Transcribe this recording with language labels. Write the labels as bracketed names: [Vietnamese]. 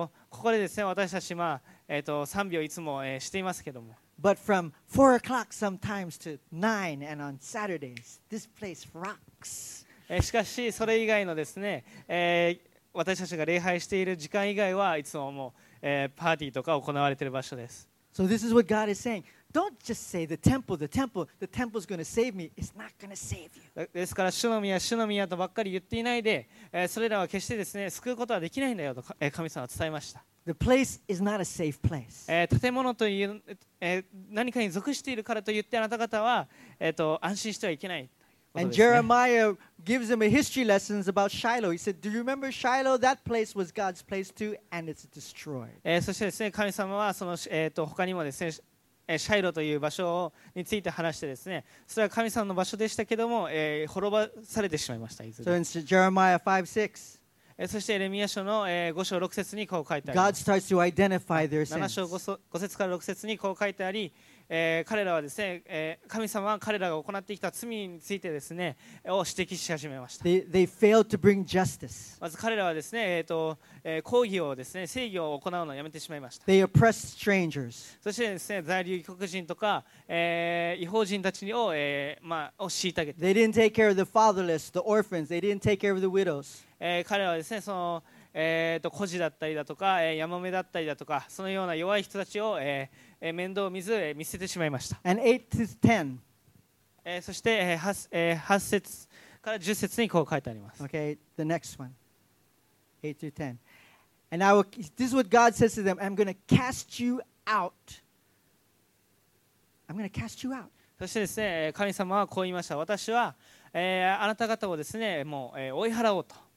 [Japanese] ここでですね、私たち、まあ賛美をいつも、していますけども。 [English] But from 4 o'clock sometimes to 9 and on Saturdays, this place rocks. [Japanese] しかし、それ以外のですね、私たちが礼拝している時間以外はいつももう、パーティーとか行われている場所です。 [English] So this is what God is saying. Don't just say the temple is going to save me. It's not going to save you. [Japanese] ですから主の宮とばっかり言っていないで、それらは決してですね、救うことはできないんだよと神様は伝えました。 [English] The place is not a safe place. [Japanese] 建物という、何かに属しているからと言ってあなた方は、安心してはいけないということですね。 [English] And Jeremiah gives him a history lesson about Shiloh. He said, "Do you remember Shiloh? That place was God's place too, and it's destroyed." [Japanese] そしてですね、神様はその、他にもですね。シャイロという場所について話してですね、それは神様の場所でしたけども、滅ばされてしまいました。 [English] So in Jeremiah 5:6, [Japanese] そしてエレミヤ書の5章6節にこう書いてあります [English] God starts to identify their sins. [Japanese] 7章5節から6節にこう書いてあり、彼らはですね、神様は彼らが行ってきた罪についてですね、を指摘し始めました。 [English] They failed to bring justice. [Japanese] まず彼らはですね、抗議をですね、正義を行うのをやめてしまいました。 [English] They oppressed strangers. [Japanese] そしてですね、在留異国人とか、異邦人たちを、まあ、を虐げて。 [English] They didn't take care of the fatherless, the orphans. They didn't take care of the widows. [Japanese] 彼らはですね、その孤児だったりだとか、ヤモメだったりだとか、そのような弱い人たちを、面倒を見ず、見せてしまいました。 [English] And 8 to 10. [Japanese] そして、8節から10節にこう書いてあります。 [English] Okay, the next one. 8 to 10. And I will, this is what God says to them, I'm going to cast you out. I'm going to cast you out. [Japanese] そしてですね、神様はこう言いました。私は、あなた方をですね、もう、追い払おうと。